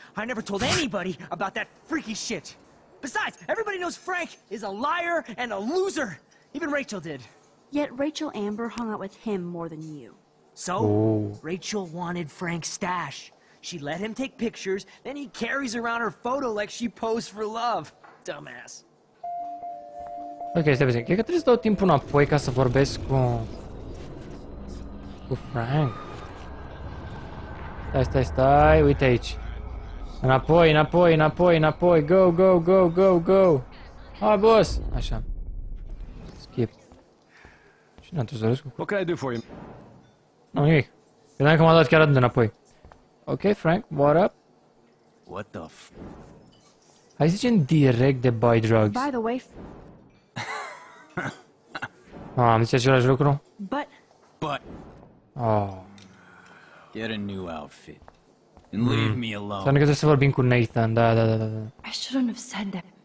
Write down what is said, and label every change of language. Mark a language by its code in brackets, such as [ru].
[en] I never told anybody about that freaky shit. Besides, everybody knows Frank is a liar and a loser. Even Rachel did. Yet Rachel Amber hung out with him more than you. So, Rachel wanted Frank's stash. She let him take pictures, then he carries around her photo like she posed for love. Dumbass. [ro] Ok, stai puțin. Cred că trebuie să dau timpul înapoi ca să vorbesc cu... cu Frank. Stai, uite aici. Înapoi, go. Hai, boss! Așa. Skip. Și n-am trebuit să vorbesc cu... [en] What can I do for you? [ro] Nu, nimic. Credeam că m-a dat chiar atât de înapoi. [en] Ok, Frank, what up? What the f... [ro] Hai să zicem direct de [en] buy drugs. By the way... [ro] Oh, am zis același lucru? [en] But... Oh... Get a new outfit. And leave me alone. [ro] Înseamnă că trebuie să vorbim cu Nathan, da. [en] I shouldn't have said that.